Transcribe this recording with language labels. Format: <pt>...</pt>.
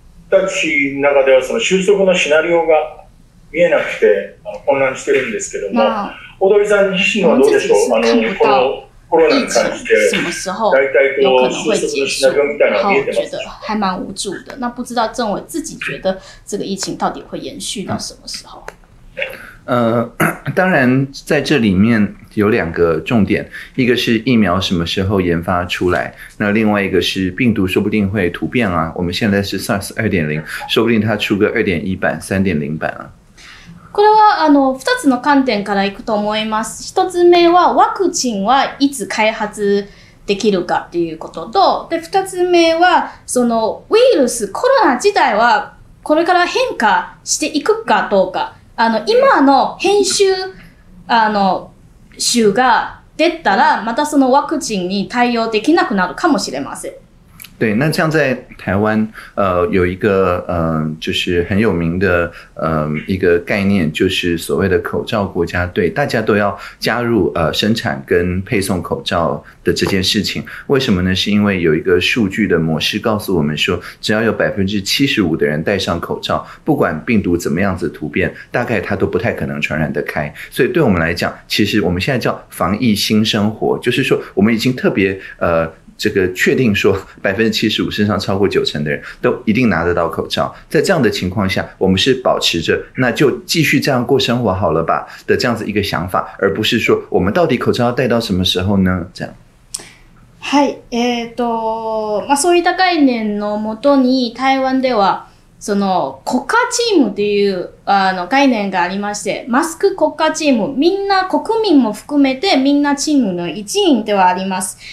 <ja>たちの中ではその収束のシナリオが見えなくて混乱してるんですけども、小鳥さん自身はどうでしょう。このコロナに関して、大体こう収束のシナリオみたいなのが見えてますか。</ja> <zh>还蛮无助的。那不知道政委自己觉得这个疫情到底会延续到什么时候？当然在这里面有两个重点，一个是疫苗什么时候研发出来，那另外一个是病毒说不定会突变啊，我们现在是 SARS 2.0， 说不定它出个 2.1 版 3.0 版啊。</zh> <ja>これは2つの観点からいくと思います。 1つ目はワクチンはいつ開発できるかっていうことと、で2つ目はそのウイルス、コロナ自体はこれから変化していくかどうか、今の編集種が出たらまたそのワクチンに対応できなくなるかもしれません。</ja> <zh>对，那像在台湾，有一个就是很有名的一个概念，就是所谓的口罩国家队，大家都要加入生产跟配送口罩的这件事情。为什么呢？是因为有一个数据的模式告诉我们说，只要有 75% 的人戴上口罩，不管病毒怎么样子突变，大概它都不太可能传染得开。所以对我们来讲，其实我们现在叫防疫新生活，就是说我们已经特别这个确定说 75% 身上超过九成的人都一定拿得到口罩，在这样的情况下，我们是保持着那就继续这样过生活好了吧的这样子一个想法，而不是说我们到底口罩要戴到什么时候呢？这样。</zh> <ja>はい、まあそういった概念のもとに台湾ではその国家チームという概念がありまして、マスク国家チーム、みんな国民も含めてみんなチームの一員ではあります。</ja>